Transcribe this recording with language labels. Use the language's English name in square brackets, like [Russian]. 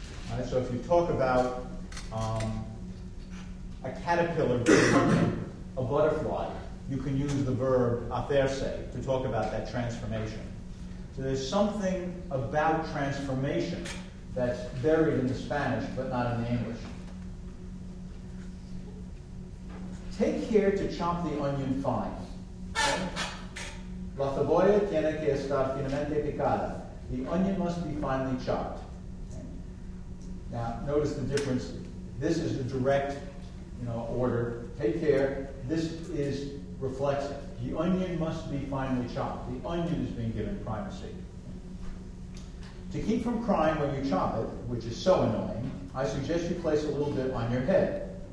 [English] All right, so if you talk about a caterpillar becoming a butterfly, you can use the verb hacerse to talk about that transformation. So there's something about transformation that's buried in the Spanish, but not in the English. Take care to chop the onion fine. [Spanish] La cebolla tiene que estar finamente picada. [English] The onion must be finely chopped. Okay. Now, notice the difference. This is a direct, you know, order. Take care. This is reflexive. The onion must be finely chopped. The onion is being given primacy. To keep from crying when you chop it, which is so annoying, I suggest you place a little bit on your head.